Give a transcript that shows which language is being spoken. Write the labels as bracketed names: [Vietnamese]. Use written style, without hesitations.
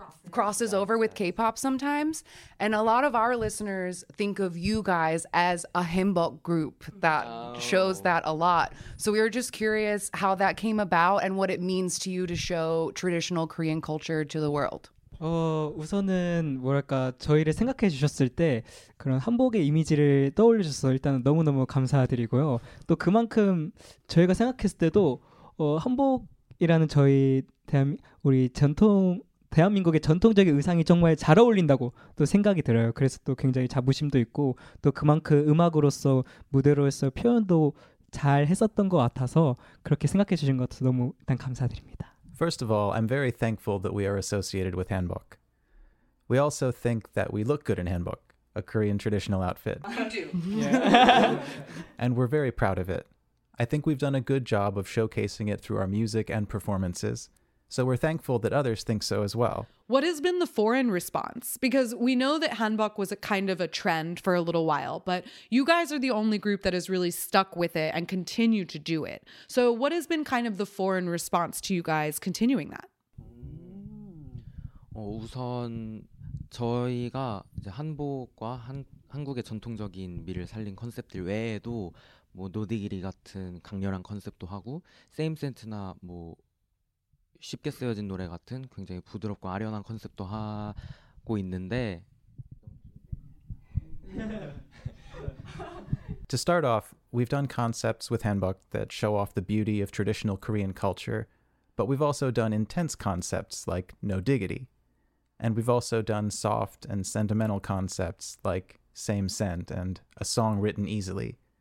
[English] crosses over with K-pop sometimes, and a lot of our listeners think of you guys as a hanbok group that shows that a lot. So we were just curious how that came about and what it means to you to show traditional Korean culture to the world. [Korean] 우선은 뭐랄까 저희를 생각해 주셨을 때 그런 한복의 이미지를 떠올리셔서 일단 너무너무 감사드리고요. 또 그만큼 저희가 생각했을 때도 한복이라는 저희 우리 전통 대한민국의 전통적인 의상이 정말 잘 어울린다고 또 생각이 들어요. 그래서 또 굉장히 자부심도 있고 또 그만큼 음악으로서 무대로서 표현도 잘 했었던 것 같아서 그렇게 생각해 주신 것 같아서 너무 일단 감사드립니다. [English] First of all, I'm very thankful that we are associated with hanbok. We also think that we look good in hanbok, a Korean traditional outfit. I do. And we're very proud of it. I think we've done a good job of showcasing it through our music and performances, so we're thankful that others think so as well. What has been the foreign response? Because we know that hanbok was a kind of a trend for a little while, but you guys are the only group that has really stuck with it and continue to do it. So what has been kind of the foreign response to you guys continuing that? [Korean] 우선 저희가 이제 한복과 한국의 전통적인 미를 살린 컨셉들 외에도 뭐 노디기리 같은 강렬한 컨셉도 하고 세임 센트나 뭐 쉽게 쓰여진 노래 같은 굉장히 부드럽고 아련한 컨셉도 하고 있는데 [English] To start off, we've done concepts with hanbok that show off the beauty of traditional Korean culture, but we've also done intense concepts like Nodiggity. And we've also done soft and sentimental concepts like Same Scent and A Song Written Easily.